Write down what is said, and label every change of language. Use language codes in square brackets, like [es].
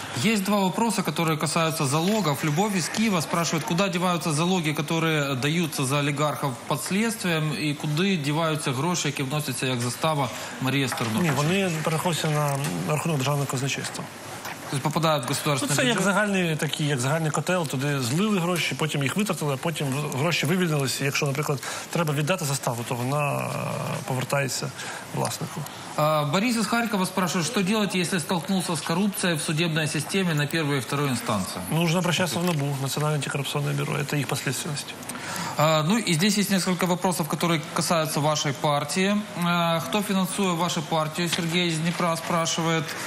[ru] Есть два вопроса, которые касаются залогов. Любовь из Киева спрашивает, куда деваются залоги, которые даются за олигархов под следствием, и куда деваются гроши, которые вносятся, как застава Марии Стернович? Нет, они переходят на [uk] рахунок державного казначейства. [ru] То есть попадают в государственный бюджет? Ну, это как [uk] загальний котел, [ru] туда злили гроши, потом их [uk] витратили, [ru] а потом гроши вывільнилися. [uk] Якщо, наприклад, треба віддати заставу, то вона повертається власнику. [ru] Борис из Харькова спрашивает, что делать, если столкнулся с коррупцией в судебной системе на первой и второй инстанции? Нужно обращаться в НАБУ, Национальное антикоррупционное бюро. Это их последствия. Ну и здесь есть несколько вопросов, которые касаются вашей партии. Кто финансует вашу партию? Сергей из Днепра спрашивает.